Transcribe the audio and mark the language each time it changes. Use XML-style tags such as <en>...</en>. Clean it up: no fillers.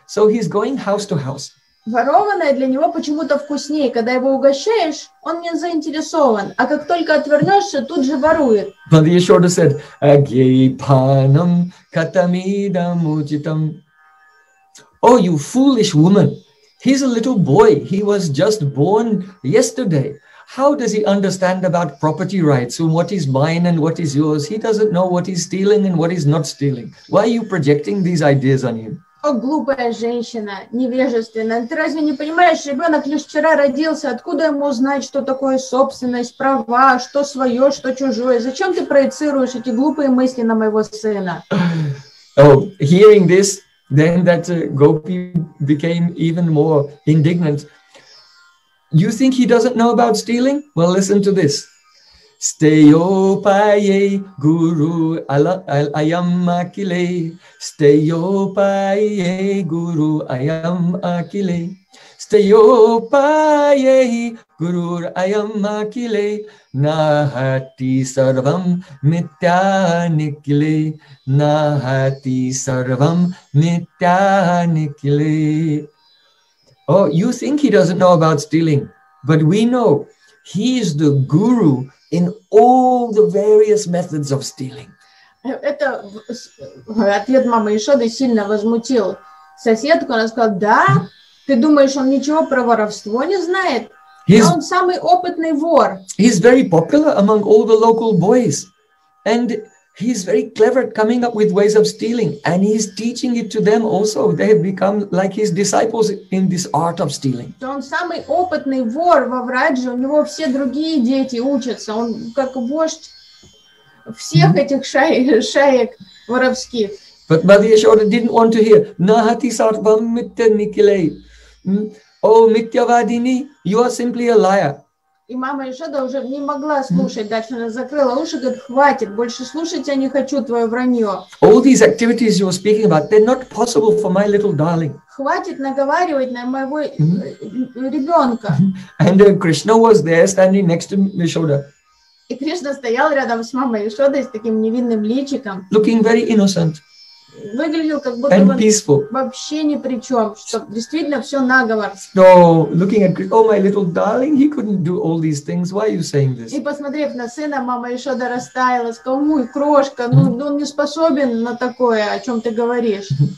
<en>So he's going house to house.</en> <ru>Ворованное для него почему-то вкуснее, когда его угощаешь, он не заинтересован, а как только отвернешься, тут же ворует.</ru> <en>But he should have said,</en> <sa>Agipanam katamidam uchitam.</sa> <en>Oh, you foolish woman, he's a little boy, he was just born yesterday. How does he understand about property rights and what is mine and what is yours? He doesn't know what he's stealing and what he's not stealing. Why are you projecting these ideas on him?</en> <ru>О, глупая женщина, невежественная, ты разве не понимаешь, ребенок лишь вчера родился, откуда ему знать, что такое собственность, права, что свое, что чужое? Зачем ты проецируешь эти глупые мысли на моего сына?</ru> <en>Oh, hearing this, then that gopi became even more indignant. You think he doesn't know about stealing? Well, listen to this.</en> <sa>Steyopaye guru ayam akile, steyopaye guru ayam akile, steyopaye guru ayam akile, nahati sarvam mityanikile, nahati sarvam mityanikile.</sa> <en>Oh, you think he doesn't know about stealing, but we know he is the guru in all the various methods of stealing.</en> <ru>Это ответ мамы Ишоды сильно возмутил соседку. Она сказала, да, ты думаешь, он ничего про воровство не знает?</ru> <en>He's,</en> <ru>он самый опытный вор.</ru> <en>He's very popular among all the local boys. And he's very clever at coming up with ways of stealing. And he's teaching it to them also. They have become like his disciples in this art of stealing.</en> <ru>Он самый опытный вор во Врадже. У него все другие дети учатся. Он как вождь всех этих шаек воровских.</ru> <en>But Madhya Shodhar didn't want to hear.</en> <sa>Nahati sarvam mitya nikile.</sa> <en>Oh, Mityavadini, you are simply a liar.</en> <ru>И мама Ишода уже не могла слушать дальше, она закрыла уши, говорит, хватит, больше слушать я не хочу твое вранье.</ru> <en>All these activities you're speaking about, they're not possible for my little darling.</en> <ru>Хватит наговаривать на моего ребенка.</ru> <en>And Krishna was there standing next to Ишода.</en> <ru>И Кришна стоял рядом с мамой Ишодой, с таким невинным личиком.</ru> <en>Looking very innocent.</en> <ru>Выглядел как будто</ru> <en>and</en> <ru>он</ru> <en>peaceful.</en> <ru>Вообще ни при чем, что действительно все наговор.</ru> <en>No, looking at Krishna, oh my little darling, he couldn't do all these things. Why are you saying this?</en> <ru>И посмотрев на сына, мама Ишода растаяла, сказала, ой, крошка, ну он не способен на такое, о чем ты говоришь.</ru>